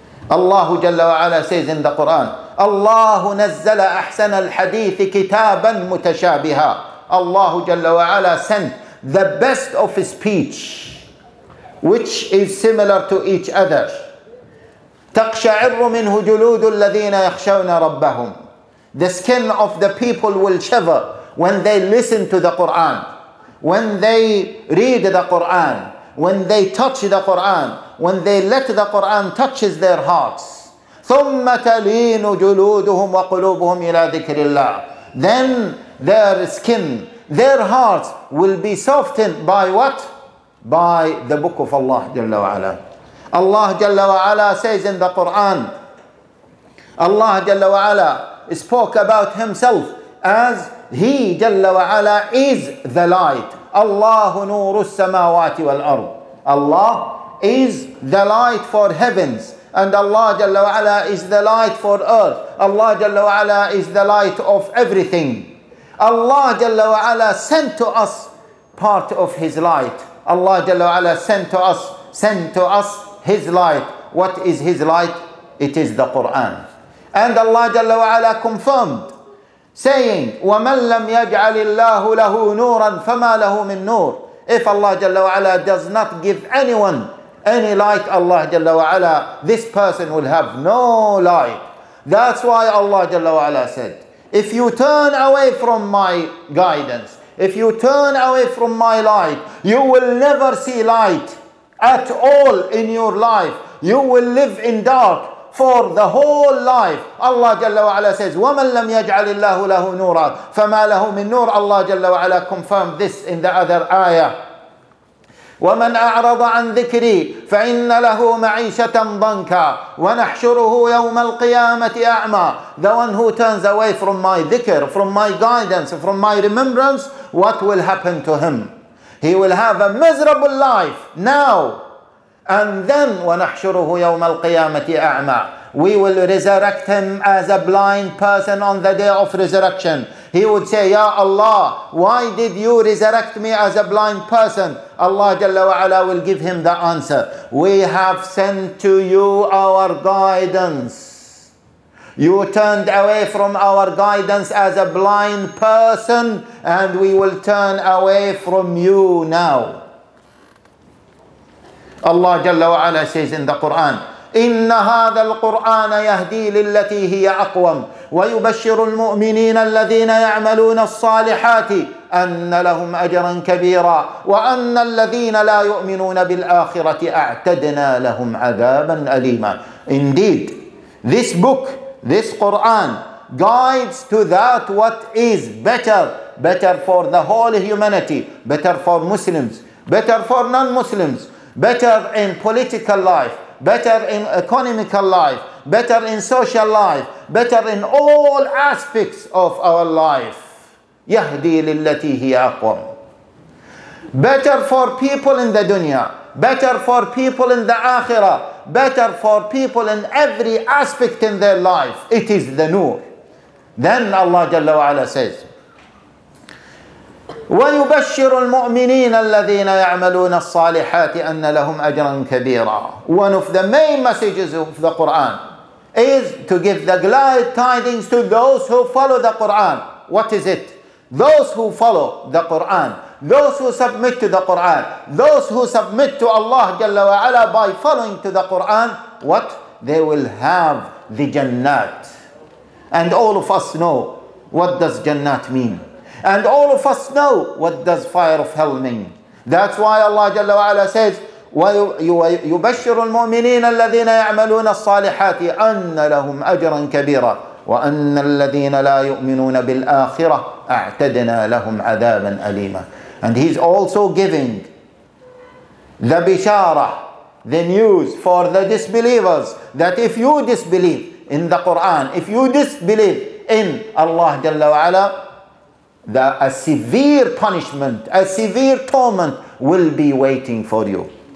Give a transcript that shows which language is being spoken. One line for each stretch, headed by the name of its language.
English: Allah Jalla wa Ala says in the Quran, Allah
Arabic: نزل أحسن الحديث كتابا متشابها.
English: Allah Jalla wa Ala sent the best of speech, which is similar to each other.
Arabic: تقشعر منه جلود الذين يخشون ربهم.
English: The skin of the people will shiver when they listen to the Quran, when they read the Quran, when they touch the Quran, when they let the Quran touches their hearts.
Arabic: ثم تلين جلودهم وقلوبهم إلى ذكر الله.
English: Then their skin, their hearts will be softened by what? By the book of Allah Jalla wa Ala. Allah Jalla wa Ala says in the Quran, Allah Jalla wa Ala spoke about himself as he Jalla wa Ala is the light.
Arabic: Allah نور السماوات والأرض.
English: Allah is the light for heavens, and Allah Jalla wa Ala is the light for earth. Allah Jalla wa Ala is the light of everything. Allah Jalla wa Ala sent to us part of his light. Allah Jalla wa Ala sent to us his light. What is his light? It is the Quran. And Allah Jalla wa Ala confirmed saying,
Arabic: وَمَنْ لَمْ يَجْعَلِ اللَّهُ لَهُ نُورًا فَمَا لَهُ مِنْ نُورٍ.
English: If Allah Jalla wa Ala does not give anyone any light, Allah Jalla wa Ala, this person will have no light. That's why Allah Jalla wa Ala said, if you turn away from my guidance, if you turn away from my light, you will never see light at all in your life. You will live in dark for the whole life.
Arabic: Allah Jalla wa Ala says, وَمَنْ لَمْ يَجْعَلِ اللَّهُ لَهُ نُورًا فَمَا لَهُ مِنْ نُورٍ.
English: Allah Jalla wa Ala confirmed this in the other ayah.
Arabic: وَمَنْ أَعْرَضَ عَنْ ذِكْرِي فَإِنَّ لَهُ مَعِيشَةً ضَنْكًا وَنَحْشُرُهُ يَوْمَ الْقِيَامَةِ أَعْمَى.
English: The one who turns away from my dhikr, from my guidance, from my remembrance, what will happen to him? He will have a miserable life now. And then
Arabic: وَنَحْشُرُهُ يَوْمَ الْقِيَامَةِ أَعْمَى.
English: We will resurrect him as a blind person on the day of resurrection. He would say, Ya Allah, why did you resurrect me as a blind person? Allah Jalla wa Ala will give him the answer. We have sent to you our guidance. You turned away from our guidance as a blind person, and we will turn away from you now. Allah Jalla wa Ala says in the Quran,
Arabic: إن هذا القرآن يهدي للتي هي أقوم ويبشر المؤمنين الذين يعملون الصالحات أن لهم أجرا كبيرا وأن الذين لا يؤمنون بالآخرة أعتدنا لهم عذابا أليما.
English: Indeed, this book, this Quran guides to that what is better, better for the whole humanity, better for Muslims, better for non-Muslims, better in political life, better in economical life, better in social life, better in all aspects of our life.
Arabic: يهدي للتي هي أقوم.
English: Better for people in the dunya, better for people in the akhirah, better for people in every aspect in their life. It is the nur. Then Allah Jalla wa Ala says,
Arabic: ويبشر المؤمنين الذين يعملون الصالحات أن لهم أجرا كبيرا.
English: One of the main messages of the Quran is to give the glad tidings to those who follow the Quran. What is it? Those who follow the Quran, those who submit to the Quran, those who submit to Allah Jalla wa Ala by following to the Quran, what? They will have the Jannat. And all of us know what does Jannat mean. And all of us know what does fire of hell mean. That's why Allah Jalla wa Ala says,
Arabic: وَيُبَشِّرُ الْمُؤْمِنِينَ الَّذِينَ يَعْمَلُونَ الصَّالِحَاتِ أَنَّ لَهُمْ أَجْرًا كَبِيرًا وَأَنَّ الَّذِينَ لَا يُؤْمِنُونَ بِالْآخِرَةِ أَعْتَدْنَا لَهُمْ عَذَابًا أَلِيمًا.
English: And he's also giving the bishara, the news for the disbelievers, that if you disbelieve in the Quran, if you disbelieve in Allah Jalla wa Ala, a severe punishment, a severe torment will be waiting for you.